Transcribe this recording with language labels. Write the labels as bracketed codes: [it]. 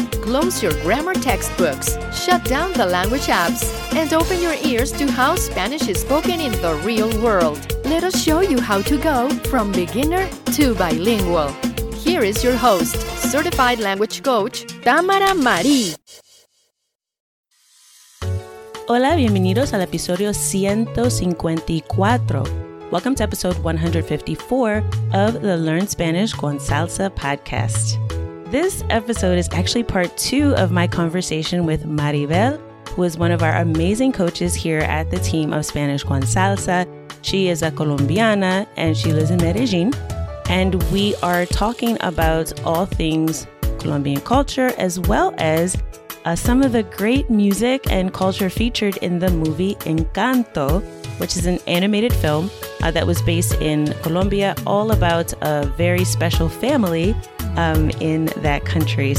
[en] Close your grammar textbooks, shut down the language apps, and open your ears to how Spanish is spoken in the real world. Let us show you how to go from beginner to bilingual. Here is your host, certified language coach, Tamara Marie. [es] Hola, bienvenidos al episodio 154. [en] Welcome to episode 154 of the Learn Spanish con Salsa podcast. This episode is actually part two of my conversation with Maribel, who is one of our amazing coaches here at the team of Spanish con Salsa. She is a Colombiana and she lives in Medellin. And we are talking about all things Colombian culture, as well as some of the great music and culture featured in the movie Encanto, which is an animated film that was based in Colombia, all about a very special family in that country.